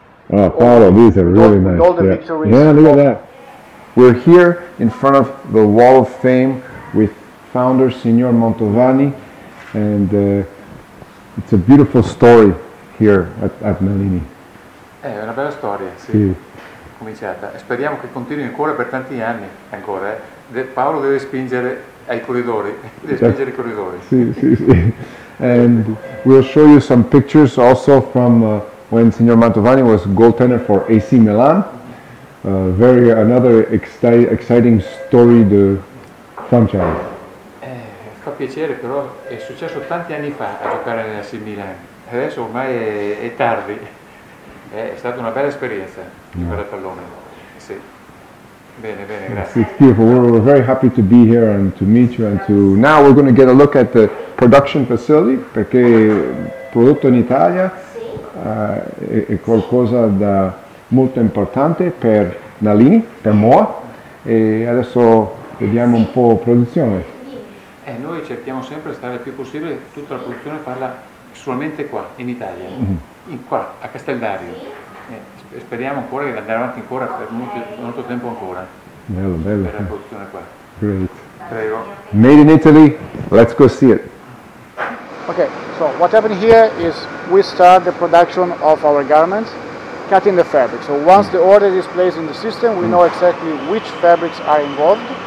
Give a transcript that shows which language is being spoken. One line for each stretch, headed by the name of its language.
English: Oh, Paolo, these are really nice. Yeah, look at that. We're here in front of the Wall of Fame with founder Signor Montovani. And it's a beautiful story here at Nalini.
Italian: È una bella storia, sì. Cominciata. Speriamo che continui ancora per tanti anni, ancora. Paolo deve spingere ai corridori. Spingere i corridori. Sì.
English: And we'll show you some pictures also from when Signor Mantovani was goaltender for AC Milan. Another exciting story the franchise.
Italian: Fa piacere, però è successo tanti anni fa a giocare nel AC Milan. Adesso ormai è tardi. È stata una bella esperienza giocare a pallone. Sì. Bene, bene, grazie.
English: It's beautiful. We're very happy to be here and to meet you and to now we're going to get a look at the production facility
Italian: perché prodotto in Italia è qualcosa da molto importante per Nalini, per Moa e adesso vediamo un po' produzione. Noi cerchiamo sempre di stare il più possibile tutta la produzione farla solamente qua in Italia. Mm-hmm. Qua, a Casteldario. Speriamo ancora di andare avanti ancora per molto tempo ancora. Bello, bello. Per la produzione qua.
English: Great.
Italian: Prego.
English: Made in Italy, let's go see it. Okay, so what happened here is we start the production of our garments, cutting the fabric. So once the order is placed in the system, we know exactly which fabrics are involved.